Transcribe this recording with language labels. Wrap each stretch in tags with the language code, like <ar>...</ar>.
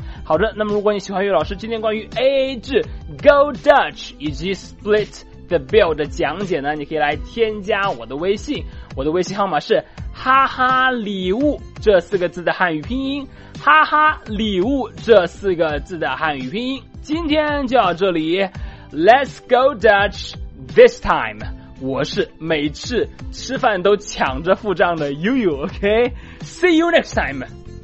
<zh>好的，那么如果你喜欢岳老师今天关于 AA 制、</zh> <en>Go Dutch</en> <zh>以及</zh> <en>Split the bill</en> <zh>的讲解呢，你可以来添加我的微信，我的微信号码是哈哈礼物这四个字的汉语拼音，哈哈礼物这四个字的汉语拼音。今天就到这里，</zh> <en>Let's go Dutch this time。</en> <zh>我是每次吃饭都抢着付账的悠悠，</zh> <en>OK， See you next time。</en>